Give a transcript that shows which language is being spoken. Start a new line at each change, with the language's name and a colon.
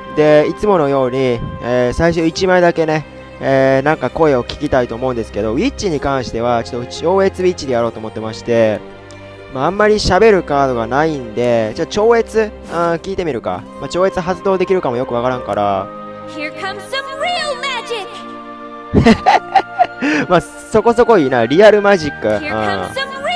Japanese: でいつものように、最初1枚だけね、なんか声を聞きたいと思うんですけど、ウィッチに関してはちょっと超越ウィッチでやろうと思ってまして、まあ、あんまり喋るカードがないんで、じゃあ超越、聞いてみるか、まあ、超越発動できるかもよくわからんから。
English: Here comes some real magic!
Japanese: まあそこそこいいな、リアルマジック。